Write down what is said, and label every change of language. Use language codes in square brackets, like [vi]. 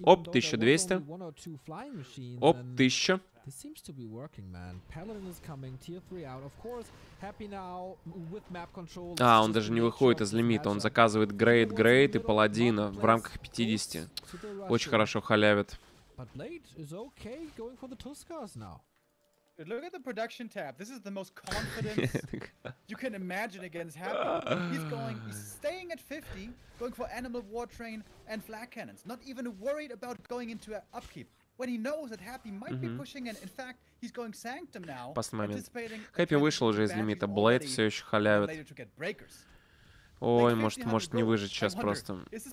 [ru] Оп, 1200. Оп, 1000. [en] This seems to be working, man. Paladin is coming, tier 3 out, of course. Happy now with map control. [ru] А, он даже не выходит из лимита, он заказывает грейд, грейд и паладина в рамках 50. Очень хорошо халявит. [en] But Blade is okay going for the Tuskars now. Look at the production tab. This is the most confident you can imagine against Happy. He's going, he's staying at 50, going for Animal War Train and Flak Cannons. Not even worried about going into an upkeep. When he knows that Happy might be pushing in, in fact, he's going Sanctum now. [ru] Happy вышел уже из лимита, Blade все еще халявит. Ой, может не выжить сейчас просто.